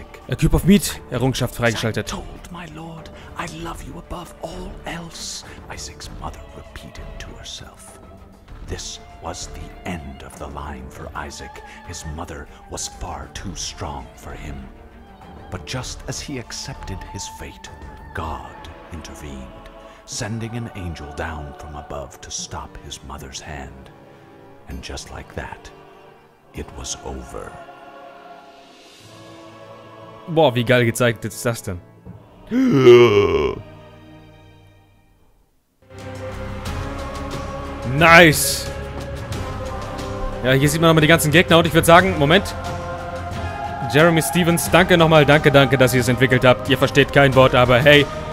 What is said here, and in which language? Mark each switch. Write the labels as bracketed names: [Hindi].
[German] A Cube of Meat, Errungenschaft freigeschaltet. [English] Told my lord, I love you above all else, Isaac's mother repeated to herself. This was the end of the line for Isaac. His mother was far too strong for him. But just as he accepted his fate, God intervened, sending an angel down from above to stop his mother's hand. And just like that, it was over. [German] Boah, wie geil gezeigt ist das denn? Nice! Ja, hier sieht man nochmal die ganzen Gegner und ich würde sagen, Moment. Jeremy Stevens, danke nochmal, danke, danke, dass ihr es entwickelt habt. Ihr versteht kein Wort, aber hey.